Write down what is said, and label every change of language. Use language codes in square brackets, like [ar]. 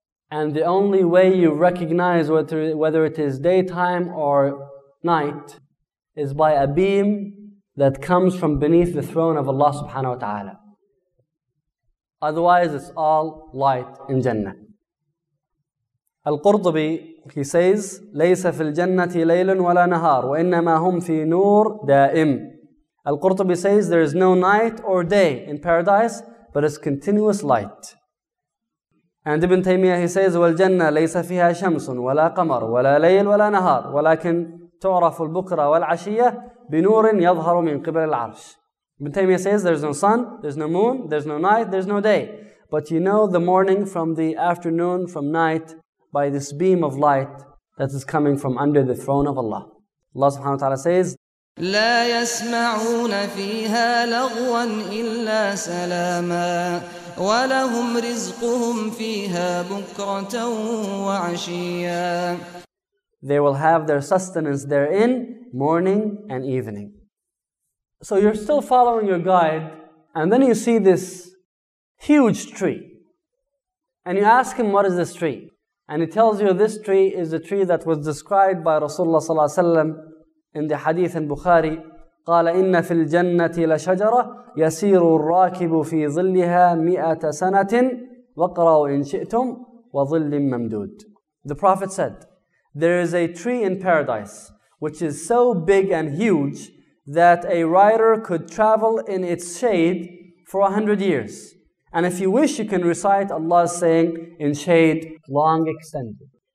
[en] And the only way you recognize whether it is daytime or night is by a beam that comes from beneath the throne of Allah subhanahu wa ta'ala. Otherwise, it's all light in Jannah. Al-Qurtubi, he says, [ar] لَيْسَ فِي الْجَنَّةِ لَيْلٌ وَلَا نَهَارٌ وَإِنَّمَا هُمْ فِي نُورٍ دَائِمٍ. [en] Al-Qurtubi says, there is no night or day in paradise, but it's continuous light. And Ibn Taymiyyah, he says, [ar] وَالْجَنَّةِ لَيْسَ فِيهَا شَمْسٌ وَلَا قَمَرٌ وَلَا لَيْلٌ وَلَا نَهَارٌ وَلَكِنْ تُعْرَفُ الْبُكْرَ وَالْعَشِيَّةِ بِنُورٍ يَظْهَرُ مِنْ قِبَلِ الْعَرْشِ. [en] Ibn Taymiyyah says, there's no sun, there's no moon, there's no night, there's no day. But you know the morning from the afternoon, from night, by this beam of light that is coming from under the throne of Allah. Allah subhanahu wa ta'ala says, [ar] لَا يَسْمَعُونَ فِيهَا لَغْوًا إِلَّا سَلَامًا وَلَهُمْ رِزْقُهُمْ فِيهَا بُكْرَةً وَعَشِيًّا. [en] They will have their sustenance therein, morning and evening. So you're still following your guide, and then you see this huge tree. And you ask him, what is this tree? And he tells you, this tree is the tree that was described by Rasulullah sallallahu alaihi wasallam in the hadith in Bukhari. [ar] قال إن في الجنة لشجرة يسير الراكب في ظلها مئة سنة وقرأوا إن شئتم وظل ممدود. [en] The Prophet said, there is a tree in paradise which is so big and huge that a rider could travel in its shade for 100 years. And if you wish, you can recite Allah's saying in shade long extended.